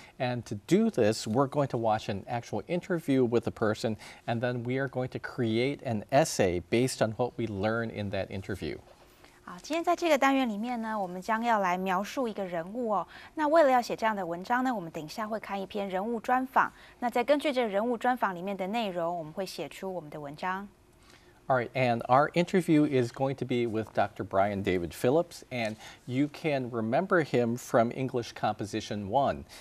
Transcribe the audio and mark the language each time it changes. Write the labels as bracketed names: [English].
[English] And to do this, we're going to watch an actual interview with a person, and then we are going to create an essay based on what we learn in that interview. [Chinese] 好，今天在这个单元里面呢，我们将要来描述一个人物哦。那为了要写这样的文章呢，我们等一下会看一篇人物专访。那再根据这个人物专访里面的内容，我们会写出我们的文章。 [English] All right, and our interview is going to be with Dr. Brian David Phillips, and you can remember him from English Composition 1.